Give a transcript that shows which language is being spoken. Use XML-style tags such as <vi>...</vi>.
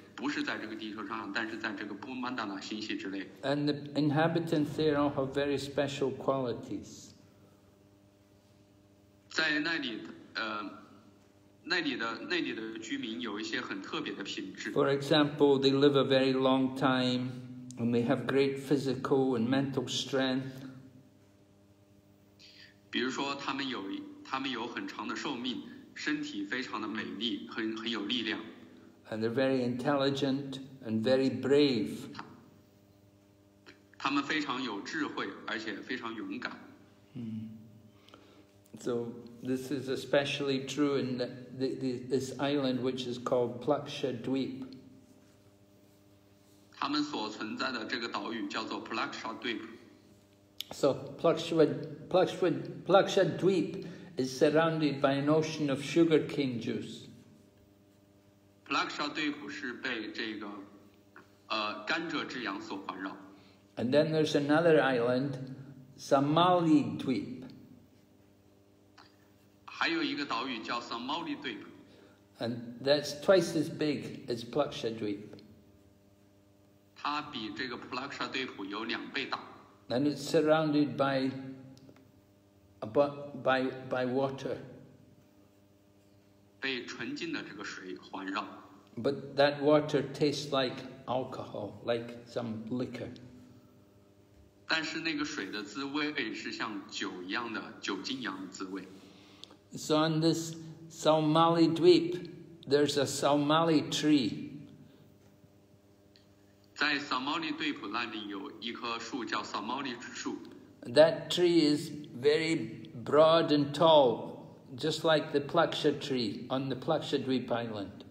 <zh>不是在这个地球上，但是在这个布曼达拉星系之内。</zh> <en>And the inhabitants there all have very special qualities.</en> <zh>在那里，那里的居民有一些很特别的品质。</zh> <en>For example, they live a very long time, and they have great physical and mental strength.</en> <zh>比如说，他们有很长的寿命，身体非常的美丽，很有力量。</zh> <en>And they're very intelligent and very brave.</en> <zh>他们非常有智慧，而且非常勇敢。嗯。</zh> <en>So this is especially true in this island, which is called Plakshadweep.</en> <zh>他们所存在的这个岛屿叫做 Plakshadweep.</zh> <en>So Plakshadweep is surrounded by an ocean of sugar cane juice.</en> <zh>Plakshadweep 是被这个甘蔗之洋所环绕。</zh> <en>And then there's another island, Samalidweep.</en> <zh>还有一个岛屿叫 Samalidweep.</zh> <en>And that's twice as big as Plakshadweep.</en> <zh>它比这个 Plakshadweep 有两倍大。</zh> <en>And it's surrounded by water.</en> <zh>被纯净的这个水环绕。</zh> <en>But that water tastes like alcohol, like some liquor.</en> <zh>但是那个水的滋味是像酒一样的酒精一样的滋味。</zh> <en>So on this Somali Dweep, there's a Somali tree,</en> <zh>在 Samali Dweep 那里有一棵树叫 Samali 之树。</zh> <en>That tree is very broad and tall, just like the Plaksha tree on the Plaksha Dweep Island.</en>